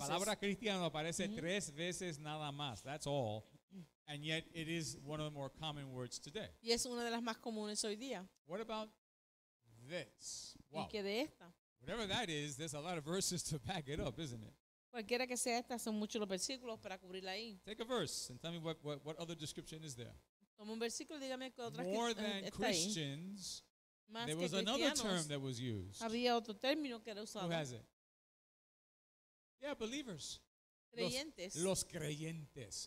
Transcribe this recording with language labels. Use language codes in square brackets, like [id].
[es] La palabra cristiano aparece tres veces nada más. [en] That's all. And yet it is one of the more common words today. [es] Y es una de las más comunes hoy día. [en] What about this? Wow. [es] ¿Y qué de esta? [en] Whatever that is, there's a lot of verses to back it up, isn't it? [es] Cualquiera que sea esta, son muchos los versículos para cubrirla ahí. [en] Take a verse and tell me what other description is there. [es] Toma un versículo, dígame qué otra. [en] More than Christians, there was another term that was used. [es] Había otro término que era usado. [en] Who has it? Yeah, believers. [es] Creyentes. Los creyentes.